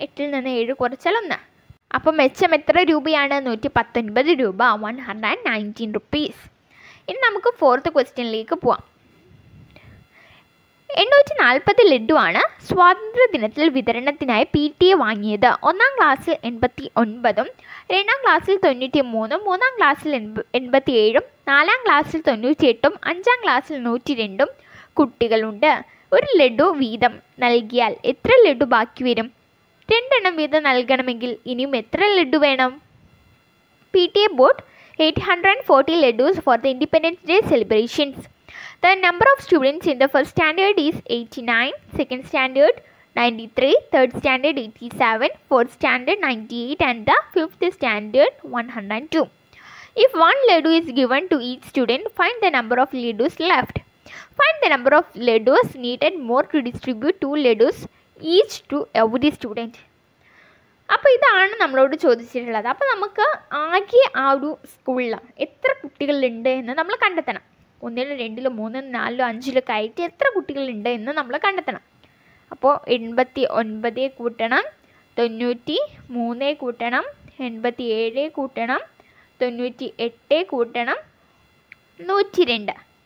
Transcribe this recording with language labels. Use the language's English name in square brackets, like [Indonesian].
[Malayalam] 8 നിന്ന് 7 കുറച്ചാൽ 1. അപ്പോൾ മെച്ചം എത്ര രൂപയാണ്? 119 രൂപ. 119 രൂപീസ്. ഇനി നമുക്ക് ഫോർത്ത് ക്വസ്റ്റ്യനിലേക്ക് പോവാം. 840 ലഡുവാണ് സ്വാതന്ത്ര്യദിനത്തിൽ വിതരണത്തിനായി PTA വാങ്ങിയത്. [English] 1st class 89, 2nd class 93, 3rd class 87, 4th class 98, 5th class 102 [Malayalam] കുട്ടികളുണ്ട്. ഒരു ലഡു വീതം നൽകിയാൽ എത്ര ലഡു ബാക്കി വരും? 2 വീതം നൽകണമെങ്കിൽ ഇനിയും എത്ര ലഡു വേണം? [English] PTA bought 840 ladoos for the Independence Day celebrations. The number of students in the first standard is 89, second standard 93, third standard 87, fourth standard 98 and the fifth standard 102. If one ladoo is given to each student, find the number of ladoos left. Find the number of ladoos needed more to distribute 2 ladoos each to every student. [Malayalam] അപ്പോൾ ഇതാണ് നമ്മളോട് ചോദിച്ചിട്ടുള്ളത്. അപ്പോൾ നമുക്ക് ആകെ ആ ഒരു സ്കൂളിൽ എത്ര കുട്ടികളുണ്ട് എന്ന് നമ്മൾ കണ്ടെത്തണം. 1, 2, 3, 4, 5 ആയിട്ട് എത്ര കുട്ടികളുണ്ട് എന്ന് നമ്മൾ കണ്ടെത്തണം. അപ്പോൾ 89 കൂട്ടണം, 93 കൂട്ടണം, 87 കൂട്ടണം, 98 കൂട്ടണം, 102.